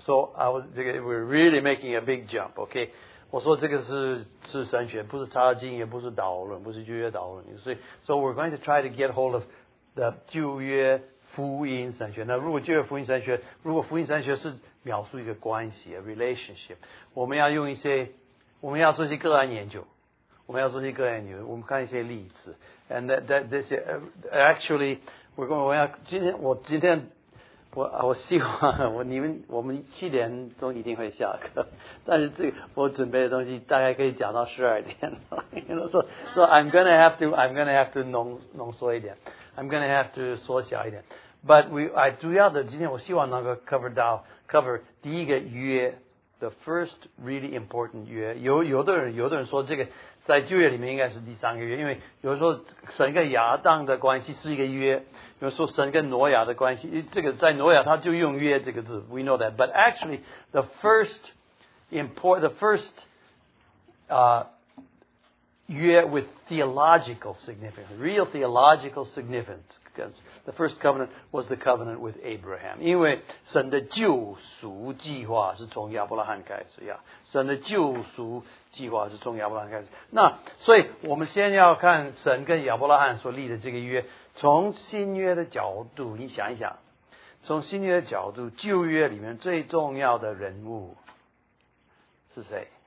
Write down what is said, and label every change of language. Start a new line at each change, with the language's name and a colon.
English: So, we're really making a big jump, okay?
Chinese: 我说这个是神学，不是查经，也不是导论，不是旧约导论。
English: So we're going to try to get hold of the
Chinese: 旧约福音神学。那如果旧约福音神学，如果福音神学是描述一个关系 ，
English: a relationship，
Chinese: 我们要做一些个案研究，我们看一些例子。
English: And actually
Chinese: 我们七点钟一定会下课，但是这个我准备的东西大概可以讲到12点。
English: So I'm gonna have to
Chinese: 浓缩一点
English: ，I'm gonna have to
Chinese: 缩小一点。
English: But I
Chinese: 主要的今天我希望能够 cover 第一个约 ，
English: the first really important
Chinese: 约。有的人说这个在旧约里面应该是第三个约，因为有时候神跟亚当的关系是一个约。比如说神跟挪亚的关系，这个在挪亚他就用约这个字 ，
English: we know that。 But actually, the first 约 with theological significance, real theological significance, the first covenant was the covenant with Abraham.
Chinese: 因为神的救赎计划是从亚伯拉罕开始呀，神的救赎计划是从亚伯拉罕开始。那所以我们先要看神跟亚伯拉罕所立的这个约。从新约的角度，你想一想，从新约的角度，旧约里面最重要的人物是谁？